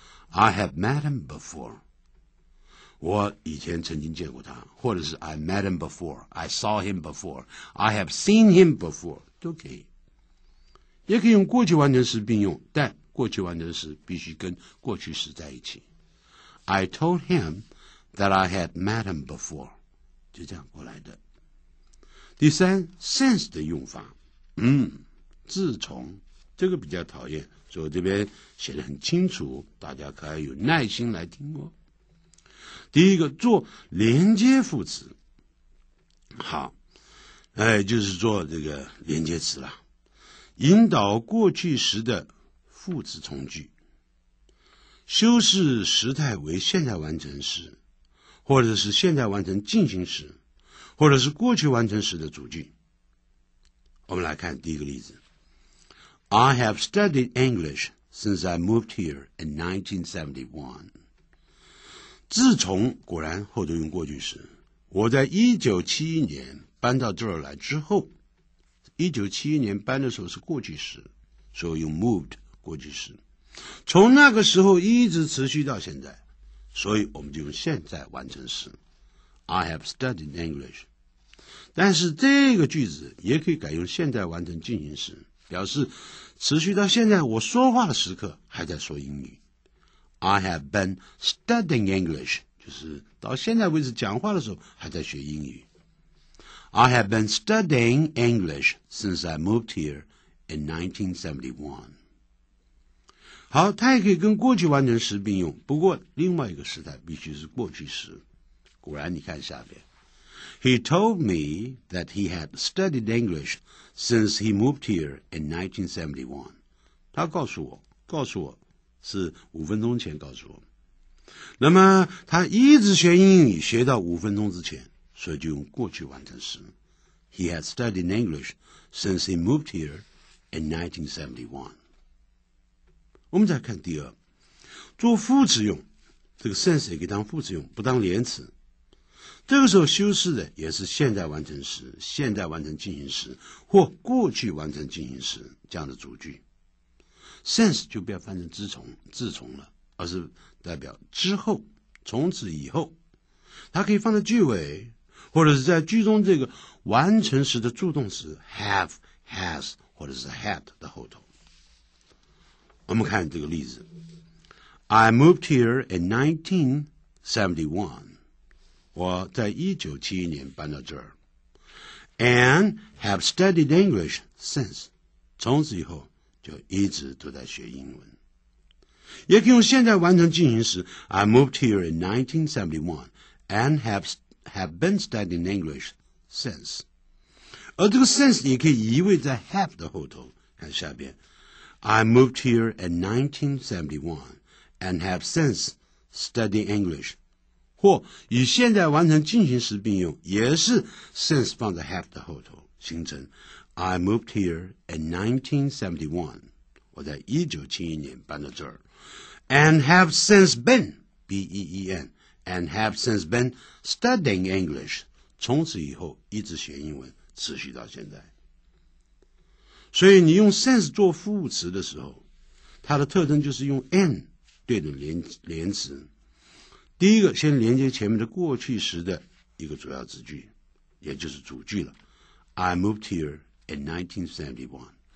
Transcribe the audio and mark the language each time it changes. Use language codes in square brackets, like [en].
[en] I have met him before. [zh] 我以前曾经见过他，或者是 [en] I met him before. I saw him before. I have seen him before. [zh] 都可以。也可以用过去完成时并用，但过去完成时必须跟过去时在一起。 [en] I told him that I had met him before. [zh] 就这样过来的。第三 ,since 的用法。自从，这个比较讨厌，所以我这边写得很清楚，大家可以有耐心来听哦。第一个做连接副词。好，就是做这个连接词了。引导过去时的副词从句，修饰时态为现在完成时，或者是现在完成进行时，或者是过去完成时的主句。我们来看第一个例子。 [en] I have studied English since I moved here in 1971. [zh] 自从，果然后头用过去时，我在1971年搬到这儿来之后，1971年搬的时候是过去时，所以用 moved 过去时，从那个时候一直持续到现在，所以我们就用现在完成时 [en] I have studied English。 [zh] 但是这个句子也可以改用现在完成进行时，表示持续到现在我说话的时刻还在说英语。 [en] I have been studying English, [zh] 就是到现在为止讲话的时候还在学英语。 [en] I have been studying English since I moved here in 1971. [zh] 好，它也可以跟过去完成时并用，不过另外一个时态必须是过去时。果然你看下面。 [en] He told me that he had studied English since he moved here in 1971. [zh] 他告诉我是五分钟前告诉我。那么他一直学英语学到五分钟之前，所以就用过去完成时。 [en] He had studied English since he moved here in 1971. [zh] 我们再看第二，做副词用，这个 since 也可以当副词用，不当连词。这个时候修饰的也是现在完成时、现在完成进行时或过去完成进行时这样的主句。 since 就不要翻成自从了，而是代表之后、从此以后。它可以放在句尾，或者是在句中这个完成时的助动词 have、has 或者是 had 的后头。我们看这个例子 [en] I moved here in 1971 [zh] 我在1971年搬到这儿 [en] And have studied English since [zh] 从此以后就一直都在学英文也可以用现在完成进行时 [en] I moved here in 1971 And have been studying English since 而这个 since 也可以移位在 have 的后头看下边I moved here in 1971 and have since studied English. [zh] 或与现在完成进行时并用也是 since 放在 have 的后头形成 [en] I moved here in 1971. [zh] 我在1971年搬到这儿 [en] And have since been, B-E-E-N, and have since been studying English. [zh] 从此以后一直学英文持续到现在。所以你用 since 做副词的时候它的特征就是用 and 对的 连词第一个先连接前面的过去时的一个主要子句也就是主句了 [en] I moved here in 1971